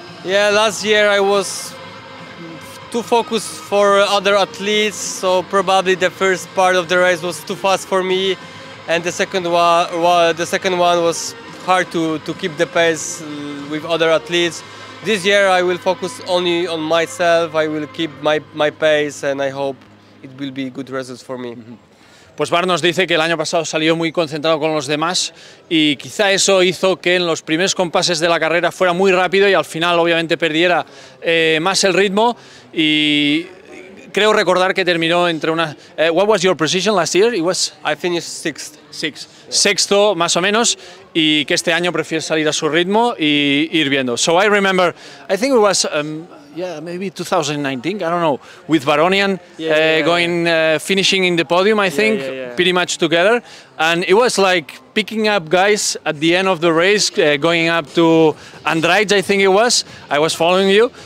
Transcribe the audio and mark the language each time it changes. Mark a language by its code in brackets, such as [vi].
[en] Yeah, last year I was too focused for other athletes, so probably the first part of the race was too fast for me, and the second one was hard to keep the pace with other athletes. This year I will focus only on myself. I will keep my pace, and I hope it will be good results for me. [es] Pues Bart nos dice que el año pasado salió muy concentrado con los demás y quizá eso hizo que en los primeros compases de la carrera fuera muy rápido y al final obviamente perdiera más el ritmo, y creo recordar que terminó entre una... [en] What was your position last year? It was... I finished sixth. Sixth. Yeah. [es] Sexto, más o menos, y que este año prefiere salir a su ritmo y ir viendo. [en] So I remember, I think it was... yeah, maybe 2019, I don't know, with Baronian finishing in the podium, I think. Pretty much together. And it was like picking up guys at the end of the race, going up to Andrade, I think it was. I was following you.